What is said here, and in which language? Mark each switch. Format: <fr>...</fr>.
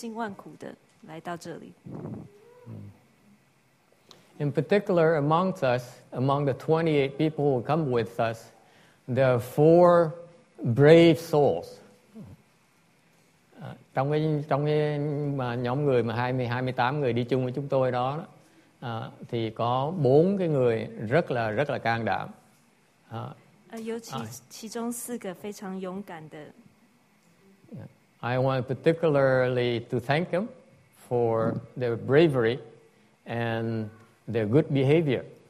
<zh>我们从洛杉矶昨天晚上大概五部车，大概将近三十多个人到了这边，所以我要谢谢你们这些人，千辛万苦的来到这里。</zh> <en>In particular, amongst us, among the 28 people who come with us, there are 4 brave souls.</en> <vi>Trong cái nhóm người mà 28 người đi chung với chúng tôi đó, thì có 4 cái người rất là can đảm.</vi> <zh>尤其其中四个非常勇敢的.</zh> <en>I want particularly to thank them for their bravery and their good behavior.</en>